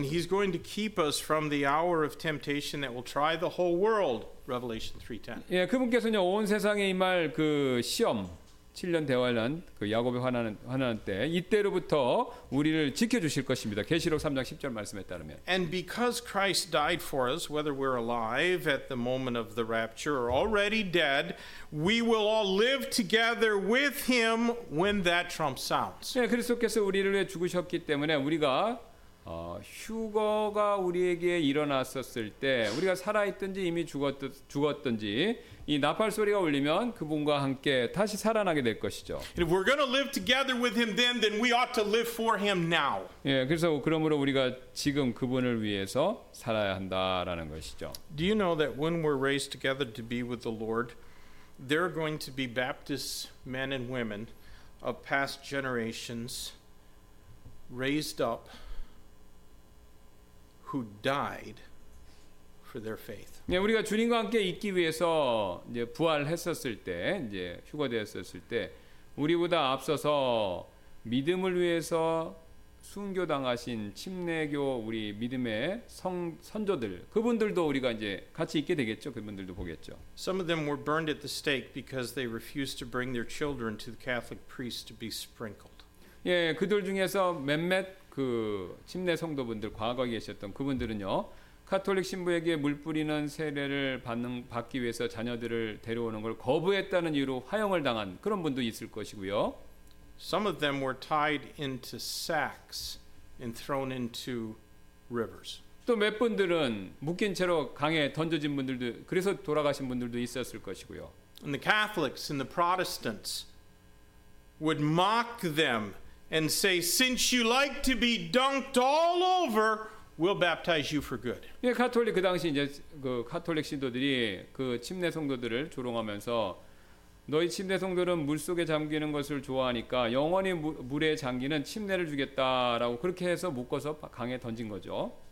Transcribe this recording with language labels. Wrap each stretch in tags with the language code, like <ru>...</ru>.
<en>And He's going to keep us from the hour of temptation that will try the whole world. Revelation 3:10.</en> <ko>예, 그분께서는 온 세상에 임할 그 시험, 7년 대환란, 그 야곱의 환난 때 이때로부터 우리를 지켜 주실 것입니다. 계시록 3장 10절 말씀에 따르면.</ko> <en>And because Christ died for us, whether we're alive at the moment of the rapture or already dead, we will all live together with Him when that trump sounds.</en> <ko>예, 그리스도께서 우리를 위해 죽으셨기 때문에 우리가 휴거가 우리에게 일어났었을 때 우리가 살아있든지 이미 죽었든지 이 나팔 소리가 울리면 그분과 함께 다시 살아나게 될 것이죠.</ko> <en>If we're going to live together with him then we ought to live for him now.</en> <ko>예, 그래서 그러므로 우리가 지금 그분을 위해서 살아야 한다라는 것이죠.</ko> <en>Do you know that when we're raised together to be with the Lord there are going to be Baptist men and women of past generations raised up who died for their faith.</en> <ko>예, 우리가 주님과 함께 있기 위해서 이제 부활했었을 때, 이제 휴거되었을 때 우리보다 앞서서 믿음을 위해서 순교당하신 침례교 우리 믿음의 선조들 그분들도 우리가 이제 같이 있게 되겠죠. 그분들도 보겠죠.</ko> <en>Some of them were burned at the stake because they refused to bring their children to the Catholic priest to be sprinkled.</en> <ko>예, 그들 중에서 몇몇 그 침례 성도분들 과거에 계셨던 그분들은요 카톨릭 신부에게 물 뿌리는 세례를 받기 위해서 자녀들을 데려오는 걸 거부했다는 이유로 화형을 당한 그런 분도 있을 것이고요.</ko> <en>Some of them were tied into sacks and thrown into rivers.</en> <ko>또 몇 분들은 묶인 채로 강에 던져진 분들도 그래서 돌아가신 분들도 있었을 것이고요.</ko> <en>And the Catholics and the Protestants would mock them. And say, since you like to be dunked all over, we'll baptize you for good.</en> <ko>예, 카톨릭 그 당시 이제 그 카톨릭 신도들이 그 침례 성도들을 조롱하면서 너희 침례 성도들은 물 속에 잠기는 것을 좋아하니까 영원히 물에 잠기는 침례를 주겠다라고 그렇게 해서 묶어서 강에 던진 거죠.</ko>